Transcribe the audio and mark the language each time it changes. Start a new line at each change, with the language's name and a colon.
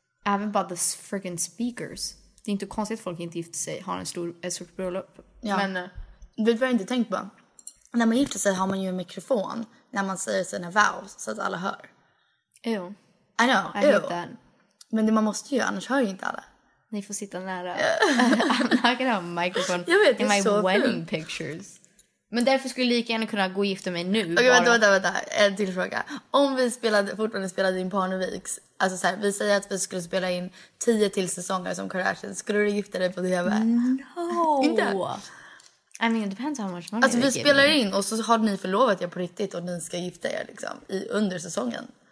Swedish: Även bara
English: the freaking speakers.
Swedish: Det är inte konstigt att folk inte gifter sig har ett stort bröllop. Ja. Men det har jag inte tänkt på. När man gifter sig har man ju en mikrofon när man säger sina vows så att alla hör.
English: Ew. I know, ew.
Swedish: Men det man måste ju, annars hör ju inte alla. Ni får sitta nära.
English: I'm not gonna have a microphone in my wedding pictures.
Swedish: Men därför skulle jag lika gärna kunna gå och gifta mig nu. Okej, okay, vänta. En till fråga. Om vi fortfarande spelade in Parneviks. Alltså så här, vi säger att vi skulle spela in 10 till säsonger som Kardashian. Skulle du gifta dig på det?
English: No.
Swedish: Inte?
English: I mean, it depends how much money.
Swedish: Alltså vi spelar in och så har ni förlovat er på riktigt. Och ni ska gifta er liksom under säsongen.